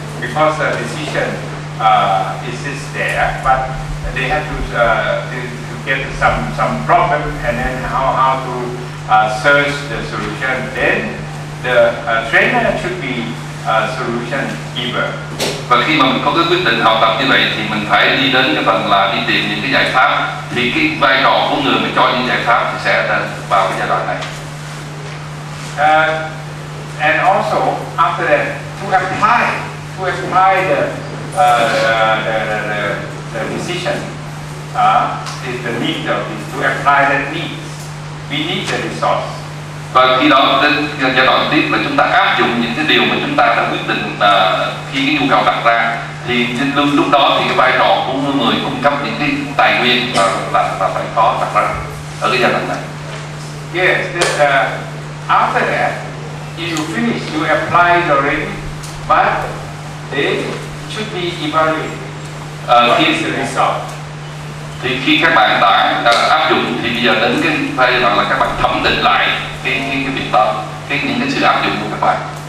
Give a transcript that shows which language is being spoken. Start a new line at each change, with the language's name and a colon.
English: Because the decision is there, but they have to get some problem and then how to search the solution. Then the trainer should be a solution giver.
Vietnamese: Và khi mà mình có cái quyết định học tập như vậy thì mình phải đi đến cái phần là đi tìm những cái giải pháp. Thì cái vai trò của người mà cho những giải pháp thì sẽ vào cái giai đoạn này.
English: And also after that, to have time. To apply the decision is the need of this. To apply that needs, we need the resource.
Vietnamese: Và khi đó đến giai đoạn tiếp là chúng ta áp dụng những cái điều mà chúng ta đã quyết định khi cái nhu cầu đặt ra, thì lúc đó thì cái vai trò của người cung cấp những cái tài nguyên là phải có đặt ra ở cái giai đoạn này.
English: Yes, that, after that, you finish, you apply the ready, but it should be evaluated. What is the result?
Vietnamese: Thì khi các bạn đã áp dụng thì bây giờ đến cái phase hoặc là các bạn thẩm định lại cái biện pháp, những cái sự áp dụng của các bạn.